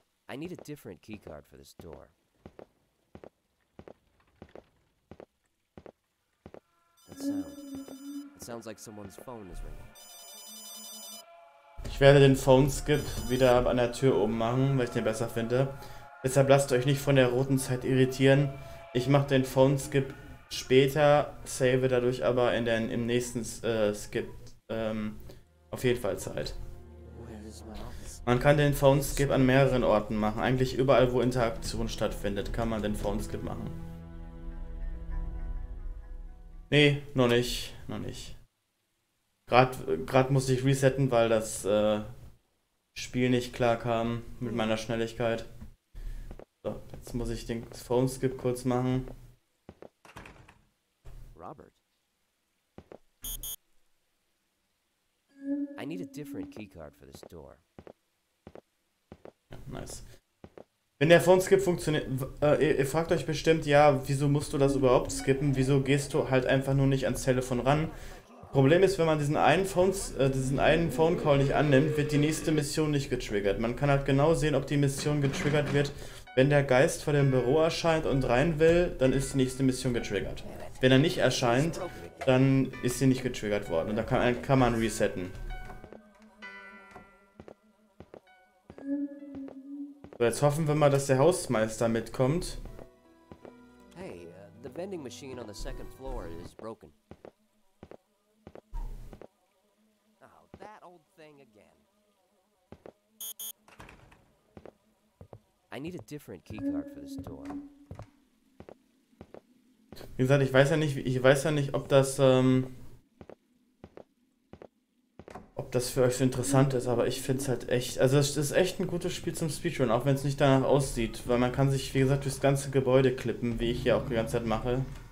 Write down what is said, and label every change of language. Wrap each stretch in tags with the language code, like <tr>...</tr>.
<en>I need a different key card for this door. It sounds like someone's phone is ringing.</en> <de>Ich werde den Phone Skip wieder an der Tür oben machen, weil ich den besser finde. Deshalb lasst euch nicht von der roten Zeit irritieren. Ich mache den Phone Skip später, save dadurch aber im nächsten Skip auf jeden Fall Zeit. Man kann den Phone Skip an mehreren Orten machen. Eigentlich überall, wo Interaktion stattfindet, kann man den Phone Skip machen. Nee, noch nicht. Gerade musste ich resetten, weil das Spiel nicht klar kam mit meiner Schnelligkeit. So, jetzt muss ich den Phone Skip kurz machen. Robert.</de> <en>I need a different key card for this door. Nice.</en> <de>Wenn der Phone Skip funktioniert, ihr fragt euch bestimmt, ja, wieso musst du das überhaupt skippen? Wieso gehst du halt einfach nur nicht ans Telefon ran? Problem ist, wenn man diesen einen Phone Call nicht annimmt, wird die nächste Mission nicht getriggert. Man kann halt genau sehen, ob die Mission getriggert wird. Wenn der Geist vor dem Büro erscheint und rein will, dann ist die nächste Mission getriggert. Wenn er nicht erscheint, dann ist sie nicht getriggert worden und dann kann man resetten. Jetzt hoffen wir mal, dass der Hausmeister mitkommt.</de> <en>Hey, the vending machine on the second floor is broken. Oh, that old thing again. I need a different key card for this door.</en> <de>Wie gesagt, ich weiß ja nicht, ob das für euch so interessant ist, aber ich finde es halt echt, also es ist echt ein gutes Spiel zum Speedrun, auch wenn es nicht danach aussieht, weil man kann sich, wie gesagt, durchs ganze Gebäude klippen, wie ich hier auch die ganze Zeit mache.</de>